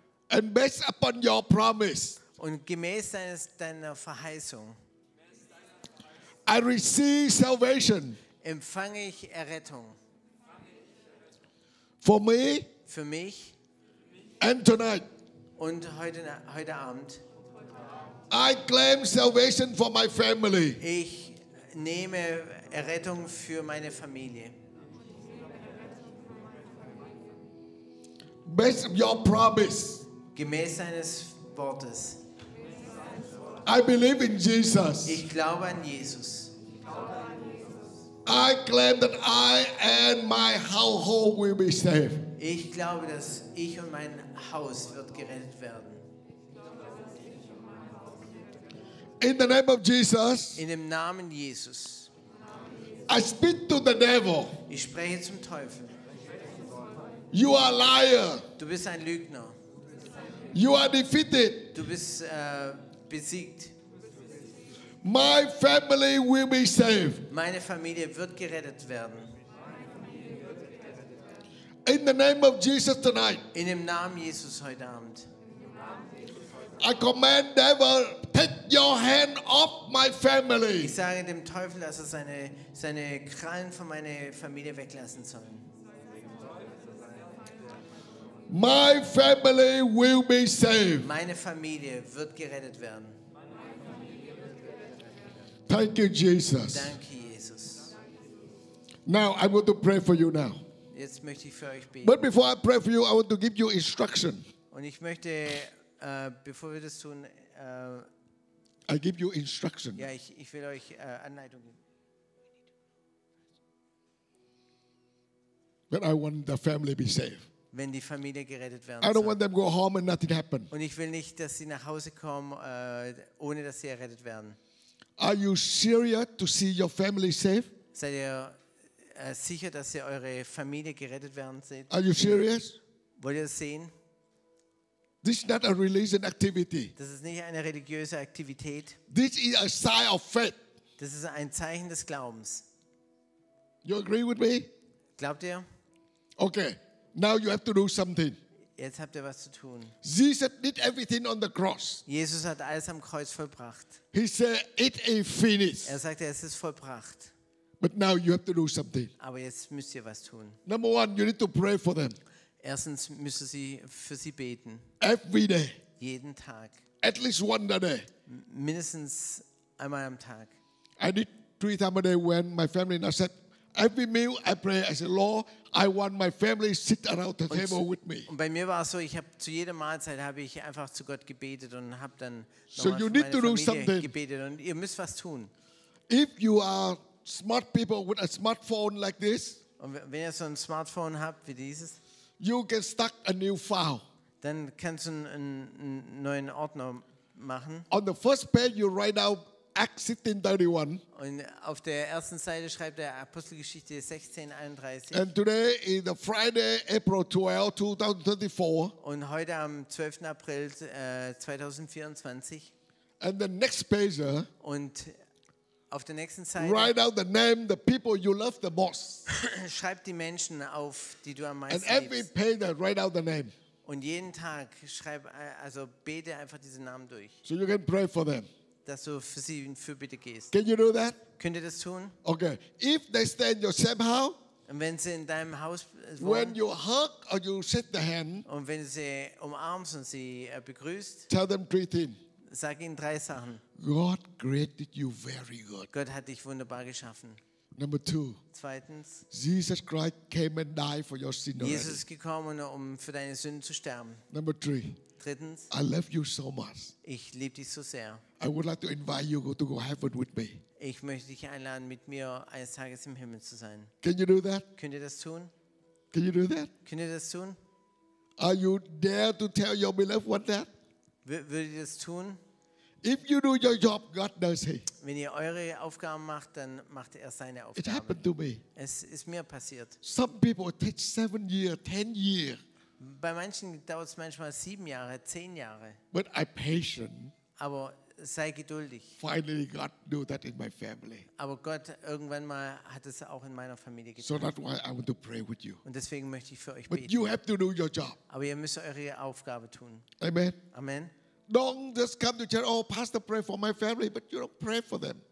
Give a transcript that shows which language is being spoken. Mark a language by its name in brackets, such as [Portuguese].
[English] And based upon your promise. [German] Und gemäß deiner Verheißung. [English] I receive salvation. [German] Empfange ich Errettung. [English] For me. [German] Für mich. [English] And tonight. [German] Und heute Abend. [English] I claim salvation for my family. [German] Ich nehme Errettung für meine Familie. [English] Based on your promise. [German] Gemäß seines Wortes. [English] I believe in Jesus. [German] Ich glaube an Jesus. [English] I claim that I and my household will be saved. [German] Ich glaube, dass ich und mein Haus wird gerettet werden. [English] In the name of Jesus. [German] In dem Namen Jesus. [English] I speak to the devil. [German] Ich spreche zum Teufel. [English] You are a liar. [German] Du bist ein Lügner. [English] You are defeated. [German] Du bist besiegt. [English] My family will be saved. [German] Meine Familie wird gerettet werden. [English] In the name of Jesus tonight. [German] In dem Namen Jesus heute Abend. [English] I command devil, take your hand off my family. [German] Ich sage dem Teufel, dass er seine Krallen von meiner Familie weglassen soll. [English] My family will be saved. [German] Meine Familie wird gerettet werden. [English] Thank you, Jesus. [German] Danke, Jesus. [English] Now I'm going to pray for you now. [German] Jetzt möchte ich für euch beten. [English] But before I pray for you, I want to give you instruction. [German] Und ich möchte, bevor wir das tun, [English] I give you instruction. [German] Ja, ich will euch Anleitung geben. [English] But I want the family to be saved. [German] Wenn die Familie gerettet werden soll. [English] I don't want them to go home and nothing happen. [German] Und ich will nicht, dass sie nach Hause kommen, ohne dass sie errettet werden. [English] Are you serious to see your family safe? [German] Seid ihr sicher, dass ihr eure Familie gerettet werden seht? [English] Are you serious? [German] Wollt ihr das sehen? [English] This is not a religious activity. [German] Das ist nicht eine religiöse Aktivität. [English] This is a sign of faith. [German] Das ist ein Zeichen des Glaubens. [English] You agree with me? [German] Glaubt ihr? [English] Okay. Now you have to do something. [German] Jetzt habt ihr was zu tun. [English] Jesus did everything on the cross. [German] Jesus hat alles am Kreuz vollbracht. [English] He said, "It is finished." [German] Er sagte, es ist vollbracht. [English] But now you have to do something. [German] Aber jetzt müsst ihr was tun. [English] Number one, you need to pray for them. [German] Erstens müssen sie für sie beten. [English] Every day. [German] Jeden Tag. [English] At least one day. [German] Mindestens einmal am Tag. [English] I did three times a day when my family and I said, every meal I pray, I said, Lord, I want my family to sit around the table with me. [German] Und bei mir war es so, ich habe zu jeder Mahlzeit habe ich einfach zu Gott gebetet und habe dann nochmal für meine Familie gebetet. Und ihr müsst was tun. [English] If you are smart people with a smartphone like this, [German] und wenn ihr so ein Smartphone habt wie dieses, [English] you get stuck a new file. [German] Dann kannst du einen neuen Ordner machen. [English] On the first page, you write out Acts 16:31. [German] Und auf der ersten Seite schreibt der Apostelgeschichte 16:31. [English] And today is the Friday, April 12, 2024. [German] Und heute am 12. April 2024. [English] And the next page. [German] Und auf der nächsten Seite. [English] Write out the name, the people you love the most. [German] Schreibt die Menschen auf, die du am meisten liebst. [English] And every page, write out the name. [German] Und jeden Tag schreib, also bete einfach diesen Namen durch. [English] So you can pray for them. [German] Dass du für sie in Fürbitte gehst. [English] Can you do that? [German] Könnt ihr das tun? [English] Okay. If they stay in your same house, [German] und wenn sie in deinem Haus wohnen, [English] when you hug or you shake the hand, [German] und wenn sie umarmst und sie begrüßt, [English] tell them three things. [German] Sag ihnen drei Sachen. [English] God created you very good. [German] Gott hat dich wunderbar geschaffen. [English] Number two. [German] Zweitens. [English] Jesus Christ came and died for your sin. [German] Jesus ist gekommen, um für deine Sünden zu sterben. [English] Number three. [German] Drittens. [English] I love you so much. [German] Ich liebe dich so sehr. [English] I would like to invite you to go heaven with me. [German] Ich möchte dich einladen, mit mir eines Tages im Himmel zu sein. [English] Can you do that? [German] Könnt ihr das tun? [English] Can you do that? [German] Könnt ihr das tun? [English] Are you dare to tell your beloved one that? [German] Würdet ihr das tun? [English] If you do your job, God does it. [German] Wenn ihr eure Aufgaben macht, dann macht er seine Aufgaben. [English] It happened to me. [German] Es ist mir passiert. [English] Some people take 7 years, 10 years. [German] Bei manchen dauert es manchmal 7 Jahre, 10 Jahre. [English] But I'm patient. [German] Aber sei geduldig. [English] Finally, God do that in my family. [German] Aber Gott irgendwann mal hat es auch in meiner Familie getan. [English] So that's why I want to pray with you. [German] Und deswegen möchte ich für euch [English] but [German] beten. [English] You have to do your job. [German] Aber ihr müsst eure Aufgabe tun. [English] Amen. [German] Amen. [English] Don't just come to church. Oh, Pastor, pray for my family, but you don't pray for them.